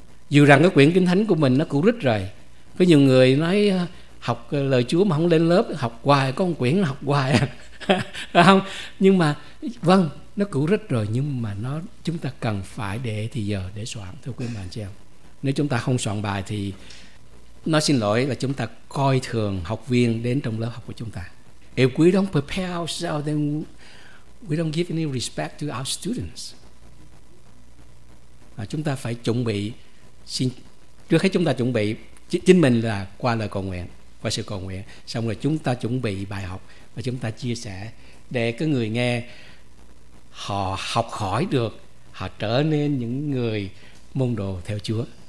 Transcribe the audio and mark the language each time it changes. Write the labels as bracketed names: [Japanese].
[Vietnamese] Dù rằng cái quyển Kinh Thánh của mình nó cũ rích rồi, có nhiều người nói học lời Chúa mà không lên lớp, học hoài, có một quyển học hoài không? Nhưng mà vâng, nó cũ rích rồi, nhưng mà nó chúng ta cần phải để thì giờ để soạn. Thưa quý bạn chị em, nếu chúng ta không soạn bài thì nó xin lỗi là chúng ta coi thường học viên đến trong lớp học của chúng ta. [English] If we don't prepare ourselves, then we don't give any respect to our students. [Vietnamese] Chúng ta phải chuẩn bị, xin trước hết chúng ta chuẩn bị chính mình là qua lời cầu nguyện, qua sự cầu nguyện, xong rồi chúng ta chuẩn bị bài học và chúng ta chia sẻ để cái người nghe họ học hỏi được, họ trở nên những người môn đồ theo Chúa.